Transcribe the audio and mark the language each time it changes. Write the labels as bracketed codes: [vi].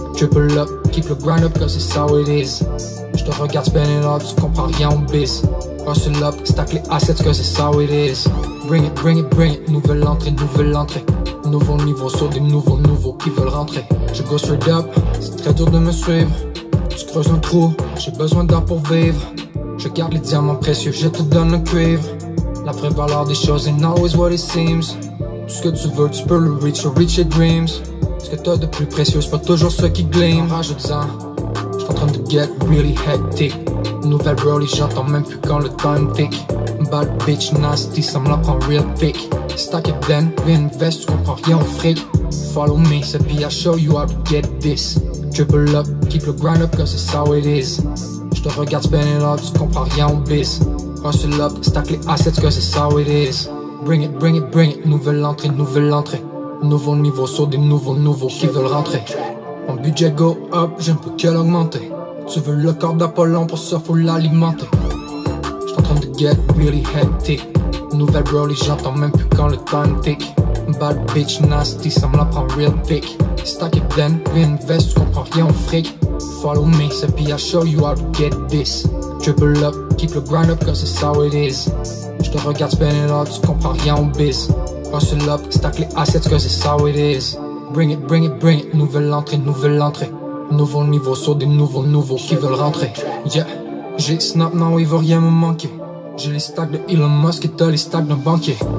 [en] Triple up, keep the grind up, cause it's how it is. [fr] J'te regarde spin it up, tu comprends rien au biz. [en] Hustle up, stack les assets, cause it's how it is. Bring it, bring it, bring it. [fr] Nouvelle entrée, nouvelle entrée. Nouveau niveau, sur des nouveaux, nouveaux qui veulent rentrer. Je [en] go straight up, [fr] c'est très dur de me suivre. Tu creuses un trou, j'ai besoin d'art pour vivre. Je garde les diamants précieux, je te donne le cuivre. La vraie valeur des choses [en] ain't always what it seems. [fr] Tout ce que tu veux, tu peux le reach, [en] or reach your dreams. [fr] Ce que t'as de plus précieux, c'est pas toujours ce qui gleam. Rajoute-en, j'suis en train de [en] get really hectic. [fr] Nouvelle Broly, j'entends même plus quand le [en] time tick. Bad bitch, nasty, [fr] ça me la prend [en] real thick. Stack it then, reinvest, [fr] tu comprends rien au fric. [en] Follow me, [fr] c'est puis [en] I show you how to get this. Triple up, keep the grind up, cause it's how it is. J'te regarde spin it up, tu comprends rien au biz. Hustle up, stack les assets, cause it's how it is. Bring it, bring it, bring it. Nouvelle entrée, nouvelle entrée. [fr] Nouveau niveau, sur des nouveaux, nouveaux qui veulent rentrer. Mon budget [en] go up, [fr] je ne peux que l'augmenter. Tu veux le corps d'Apollon pour ça, faut l'alimenter. J'suis en train de [en] get really hectic. [fr] Nouvelle Broly, j'entends même plus quand le [en] time tick. Bad bitch, nasty, [fr] ça me la prend [en] real thick. Stack it then, reinvest, [fr] tu comprends rien au fric. [en] Follow me, Seppi, I'll show you how to get this. Triple up, keep the grind up, cause it's how it is. [fr] Je te regarde [en] spend it all, [fr] tu comprends rien au biz. [en] Hustle up, stack les assets, cause it's how it is. Bring it, bring it, bring it, [fr] nouvelle entrée, nouvelle entrée. Nouveau niveau sur des nouveaux, nouveaux qui veulent rentrer. Yeah, j'ai snap, now il veut rien me manquer. J'ai les stacks de Elon Musk et t'as les stacks d'un banquier.